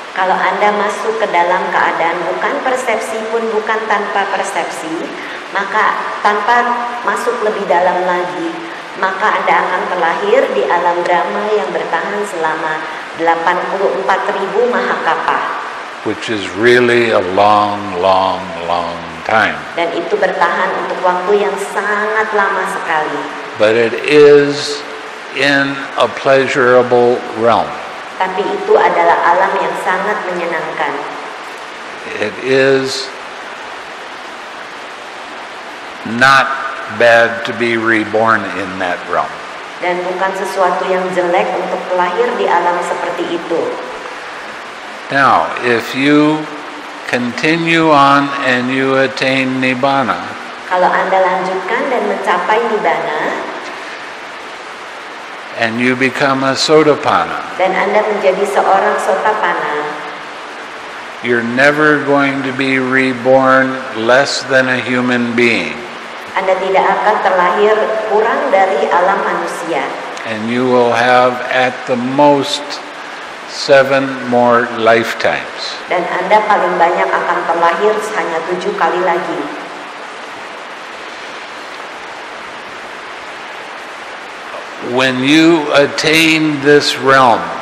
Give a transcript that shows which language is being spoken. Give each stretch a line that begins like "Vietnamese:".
Indonesian: Kalau Anda masuk ke dalam keadaan bukan persepsi pun bukan tanpa persepsi, maka tanpa masuk lebih dalam lagi, maka Anda akan terlahir di alam Brahma yang bertahan selama 84.000 mahakapa.
English: Which is really a long, long, long time.
Indonesian: Dan itu bertahan untuk waktu yang sangat lama sekali.
English: But it is in a pleasurable realm.
Indonesian: Tapi itu adalah alam yang sangat menyenangkan.
English: It is not bad to be reborn in that realm.
Indonesian: Dan bukan sesuatu yang jelek untuk lahir di alam seperti itu.
English: Now, if you continue on and you attain Nibbana,
Indonesian: kalau Anda lanjutkan dan mencapai Nibbana,
English: and you become a Sotapanna,
Indonesian: dan Anda menjadi seorang Sotapanna,
English: you're never going to be reborn less than a human being.
Indonesian: Anda tidak akan terlahir kurang dari alam manusia.
English: And you will have at the most 7 more lifetimes.
Indonesian: Dan Anda paling banyak akan terlahir hanya 7 kali lagi.
English: When you attain this realm,